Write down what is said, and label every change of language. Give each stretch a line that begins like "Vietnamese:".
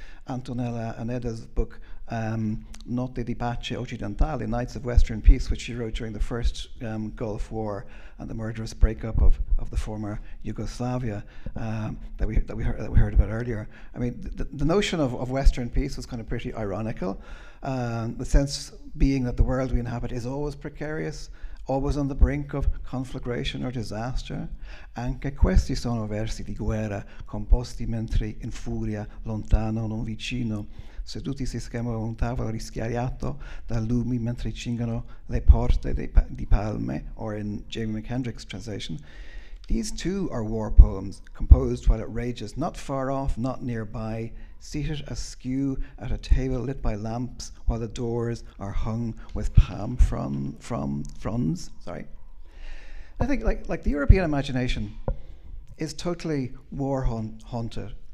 English: Antonella Aneda's book, Notte di Pace Occidentale, Nights of Western Peace, which she wrote during the first Gulf War and the murderous breakup of the former Yugoslavia that we heard about earlier. I mean, the notion of Western peace was kind of pretty ironical. The sense being that the world we inhabit is always precarious, always on the brink of conflagration or disaster.
Italian: Anche questi sono versi di guerra, composti mentre in furia, lontano, non vicino, seduti si schermano un tavolo rischiariato da lumi mentre cingono le porte di palme,
English: or in Jamie McKendrick's translation. These two are war poems composed while it rages, not far off, not nearby, seated askew at a table lit by lamps while the doors are hung with palm fronds. Sorry. I think like the European imagination is totally war haunted.